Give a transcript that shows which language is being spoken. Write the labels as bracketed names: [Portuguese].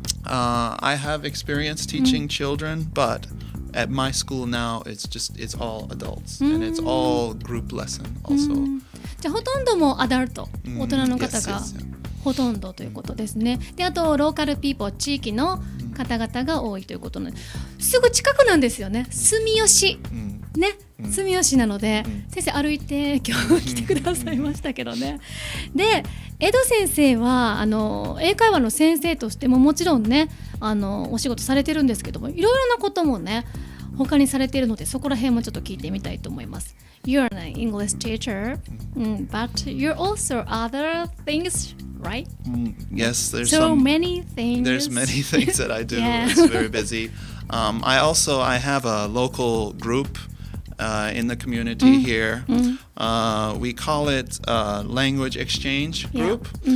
[English] I have experience teaching children, but at my school now, it's all adults. And it's all group lesson also. [Japanese] じゃあほとんどもアダルト、大人の方がほとんどということですね。で、あとローカルピーポー、地域の方々が多いということなんです。すぐ近くなんですよね。住吉。ね。住吉なので、先生歩いて今日来てくださいましたけどね。で、江戸先生はあの英会話の先生としてももちろんね、あのお仕事されてるんですけども、いろいろなこともね、他にされているので、そこら辺もちょっと聞いてみたいと思います。 [English] You're an English teacher, but you're also other things, right? Yes, there's so many things. There's many things that I do. Yeah. It's very busy. I have a local group. In the community here. We call it a language exchange group.